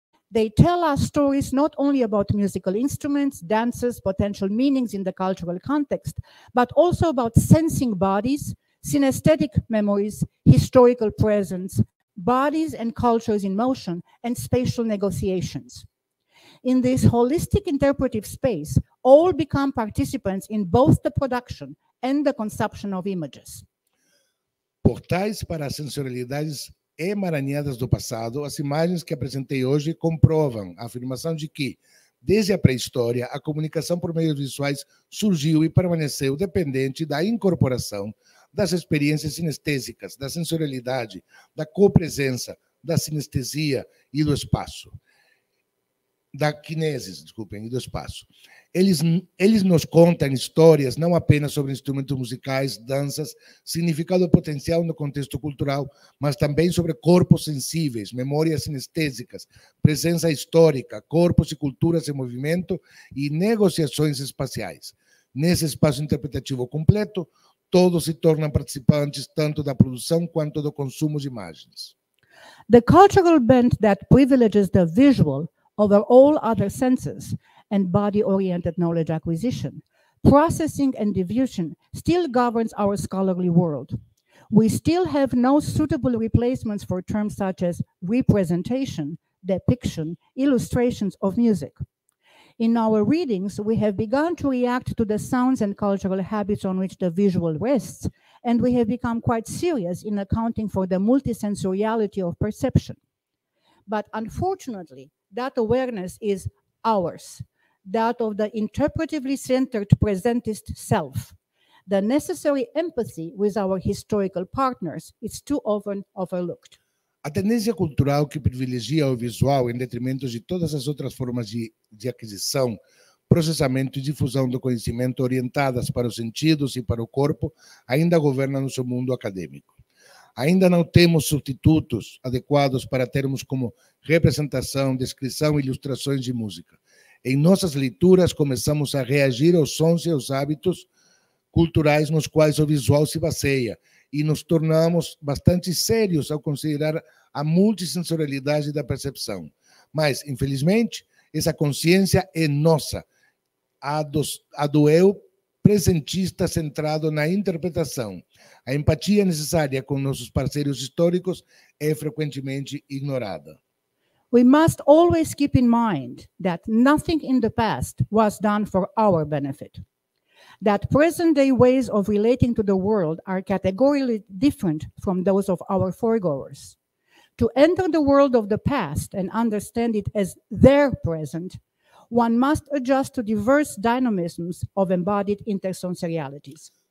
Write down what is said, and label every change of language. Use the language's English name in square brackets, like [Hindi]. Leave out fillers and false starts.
[English] They tell us stories not only about musical instruments, dances, potential meanings in the cultural context, but also about sensing bodies, synesthetic memories, historical presence, bodies and cultures in motion, and spatial negotiations. In this holistic interpretive space, all become participants in both the production and the consumption of images. [Portuguese] Portais para as sensorialidades emaranhadas do passado, as imagens que apresentei hoje comprovam a afirmação de que, desde a pré-história, a comunicação por meios visuais surgiu e permaneceu dependente da incorporação das experiências sinestésicas, da sensorialidade, da copresença, da sinestesia e do espaço. Da kinesis, desculpem, e do espaço. Eles nos contam histórias não apenas sobre instrumentos musicais, danças, significado potencial no contexto cultural, mas também sobre corpos sensíveis, memórias sinestésicas, presença histórica, corpos e culturas em movimento e negociações espaciais. Nesse espaço interpretativo completo, todos se tornam participantes tanto da produção quanto do consumo de imagens. [English] The cultural bent that privileges the visual over all other senses and body-oriented knowledge acquisition, processing and diffusion still governs our scholarly world. We still have no suitable replacements for terms such as representation, depiction, illustrations of music. In our readings, we have begun to react to the sounds and cultural habits on which the visual rests, and we have become quite serious in accounting for the multisensoriality of perception. But unfortunately, that awareness is ours, that of the interpretively centered presentist self. The necessary empathy with our historical partners is too often overlooked. [Portuguese] A tendência cultural que privilegia o visual em detrimento de todas as outras formas de aquisição, processamento e difusão do conhecimento orientadas para os sentidos e para o corpo ainda governa nosso mundo acadêmico. Ainda não temos substitutos adequados para termos como representação, descrição e ilustrações de música. Em nossas leituras, começamos a reagir aos sons e aos hábitos culturais nos quais o visual se baseia e nos tornamos bastante sérios ao considerar a multisensorialidade da percepção. Mas, infelizmente, essa consciência é nossa, a do eu presentista centrado na interpretação. A empatia necessária com nossos parceiros históricos é frequentemente ignorada. [English] We must always keep in mind that nothing in the past was done for our benefit. That present-day ways of relating to the world are categorically different from those of our foregoers. To enter the world of the past and understand it as their present, one must adjust to diverse dynamisms of embodied intersensorialities.